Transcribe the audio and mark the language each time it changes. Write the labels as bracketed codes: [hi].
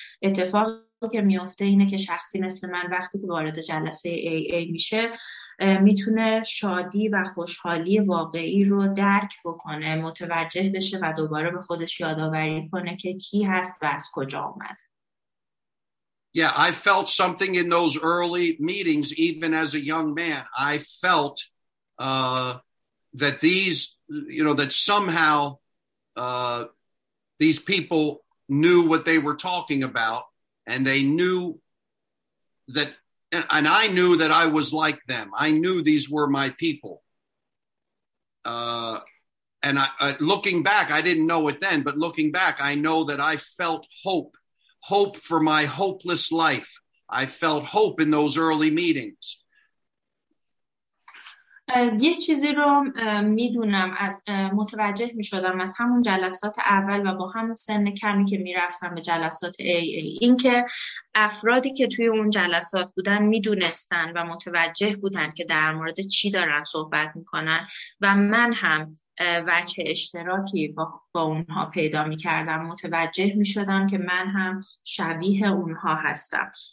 [fa] اتفاقی که می‌افته اینه که شخصی مثل من وقتی که وارد جلسه AA میشه میتونه شادی و خوشحالی واقعی رو درک بکنه، متوجه بشه و دوباره به خودش یادآوری کنه که کی هست و از کجا اومد. [en] Yeah, I felt something in those early meetings, even as a young man. I felt that these, you know, that somehow these people knew what they were talking about, and they knew that. And I knew that I was like them. I knew these were my people. And looking back, I didn't know it then, but looking back, I know that I felt hope, hope for my hopeless life. I felt hope in those early meetings. [fa] یه چیزی رو میدونم، از متوجه میشدم از همون جلسات اول و با همون سن کمی که میرفتم به جلسات AA، این که افرادی که توی اون جلسات بودن میدونستن و متوجه بودن که در مورد چی دارن صحبت میکنن و من هم وجه اشتراکی با اونها پیدا می کردم، متوجه می شدم که من هم شبیه اونها هستم.